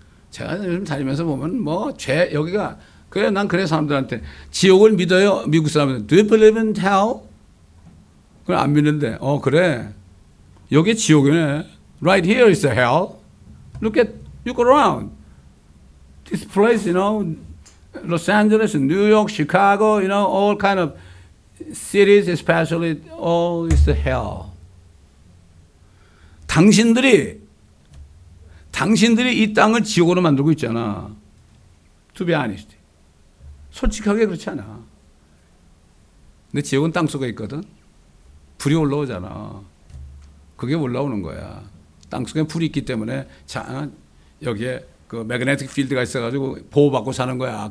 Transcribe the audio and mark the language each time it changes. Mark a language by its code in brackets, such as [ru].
[ko] 제가 요즘 다니면서 보면 뭐 죄 여기가 그래. 난 그래 사람들한테 지옥을 믿어요. 미국 사람들은 [en] Do you believe in hell? [ko] 그걸 안 믿는데 어 그래 여기 지옥이네. [en] Right here is the hell. Look at, look around. This place, you know, Los Angeles, New York, Chicago, you know, all kind of cities, especially, all is the hell. [ko] 당신들이 이 땅을 지옥으로 만들고 있잖아. To be honest. 솔직하게 그렇지 않아. 근데 지옥은 땅 속에 있거든. 불이 올라오잖아. 그게 올라오는 거야. 땅 속에 불이 있기 때문에 자, 여기에 그 매그네틱 필드가 있어가지고 보호받고 사는 거야.